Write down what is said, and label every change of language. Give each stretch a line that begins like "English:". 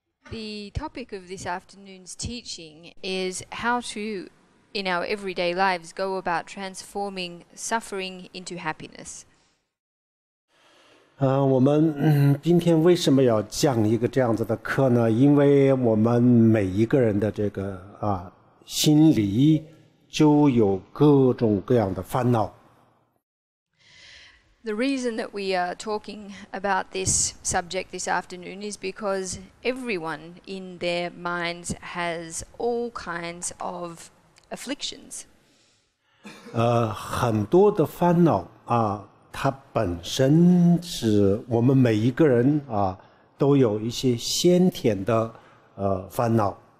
English: The topic of this afternoon's teaching is how to, in our everyday lives, go about transforming suffering into happiness.
Chinese: 我们今天为什么要讲一个这样子的课呢？因为我们每一个人的这个心里就有各种各样的烦恼。
English: The reason that we are talking about this subject this afternoon is because everyone in their minds has all kinds of afflictions.
Chinese: 很多的烦恼它本身是我们每一个人都有一些先天的烦恼。